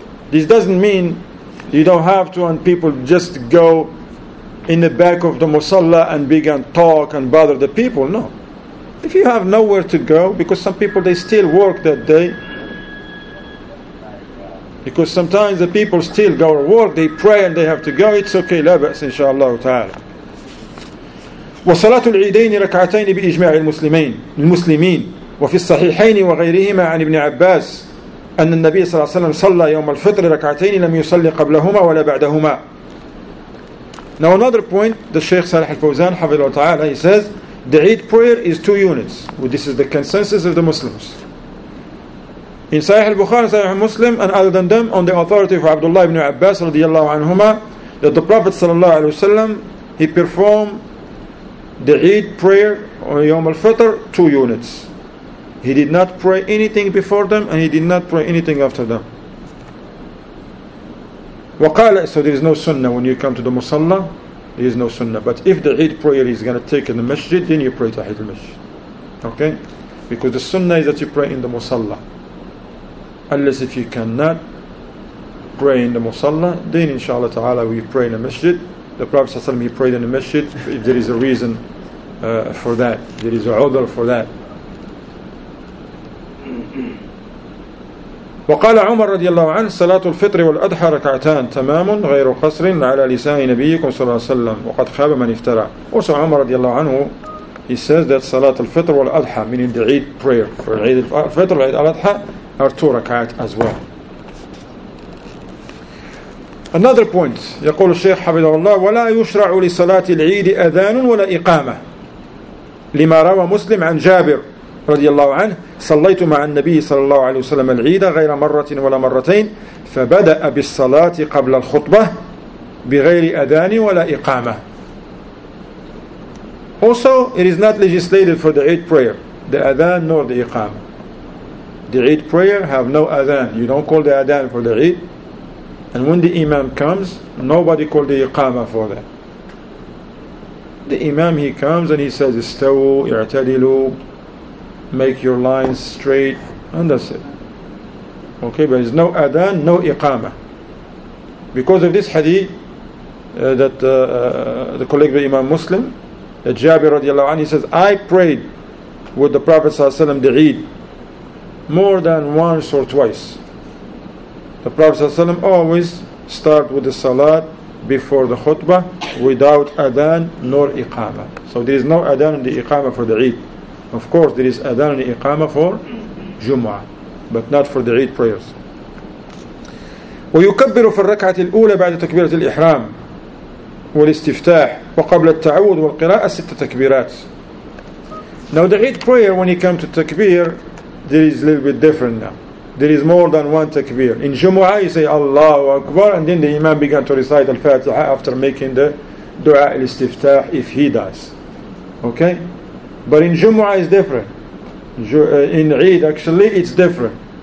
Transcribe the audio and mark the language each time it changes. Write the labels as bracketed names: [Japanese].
[English] This doesn't mean you don't have to, and people just go in the back of the musalla and begin talk and bother the people. No. If you have nowhere to go, because some people, they still work that day. Because sometimes the people still go to work, they pray and they have to go, it's okay. [Arabic] لا بأس إن شاء الله تعالى. وصلاة العيدين ركعتين بإجماع المسلمين وفي الصحيحين وغيرهما عن ابن عباس أن النبي صلى الله عليه وسلم صلى يوم الفطر ركعتين لم يصلي قبلهما ولا بعدهما. [English] Now another point, the Sheikh Salih al-Fawzan حفظه الله تعالى, he says the Eid prayer is two units. Well, this is the consensus of the Muslims. In Sahih al-Bukhari, Sahih al-Muslim, and other than them, on the authority of Abdullah ibn Abbas رضي الله عنهما, that the Prophet صلى الله عليه وسلم, he performed the Eid prayer on Yom al-Fitr, two units. He did not pray anything before them and he did not pray anything after them. وقال, so there is no sunnah when you come to the musalla, there is no sunnah. But if the Eid prayer is going to take in the masjid, then you pray tahiyyat al-masjid. Okay? Because the sunnah is that you pray in the musalla. Unless if you cannot pray in the musalla, then inshallah ta'ala we pray in the masjid. The Prophet Sallallahu Alaihi Wasallam, he prayed in the masjid, if there is a reason for that, there is a udhr for that. [Arabic] وقال عمر رضي الله عنه صلاة الفطر والأضحى ركعتان تمام غير قصر على لسان نبيكم صلى الله عليه وسلم وقد خاب من افترى. [English] Also عمر رضي الله عنه, he says that [Arabic] صلاة الفطر والأضحى, [English] meaning the Eid prayer for Eid al-Fitr and Eid al-Adha, are two rakat as well. Another point, [Arabic] يقول الشيخ حفظه الله ولا يشرع لصلاة العيد أذان ولا إقامة لما روى مسلم عن جابر رضي الله عنه صليت مع النبي صلى الله عليه وسلم العيد غير مرة ولا مرتين فبدأ بالصلاة قبل الخطبة بغير أذان ولا إقامة. [English] Also, it is not legislated for the Eid prayer, the Adhan nor the Iqama. The Eid prayer have no Adhan. You don't call the Adhan for the Eid. And when the Imam comes, nobody called the Iqama for that. The Imam, he comes and he says, [Arabic] Istawu, i'tadilu, [English] make your lines straight, and that's it. Okay, but there's no Adhan, no Iqama. Because of this hadith, the colleague of the Imam Muslim, Jabir radiallahu anhu, he says, I prayed with the Prophet sallallahu alayhi wa sallam, the Eid, more than once or twice. The Prophet ﷺ always start with the salat before the khutbah without adhan nor iqama. So there is no adhan and the iqama for the Eid. Of course, there is Adhan and Iqama for Jumu'ah, but not for the Eid prayers. [Arabic] ويكبر في الركعة الأولى بعد تكبيرة الإحرام والاستفتاح وقبل التعود والقراءة ست تكبيرات. [English] Now the Eid prayer, when you come to takbir, there is a little bit different now. There is more than one takbir. In Jumu'ah you say Allahu Akbar, and then the Imam began to recite Al-Fatiha after making the Dua al-Istiftah if he dies. Okay? But in Jumu'ah is different. In Eid actually it's different.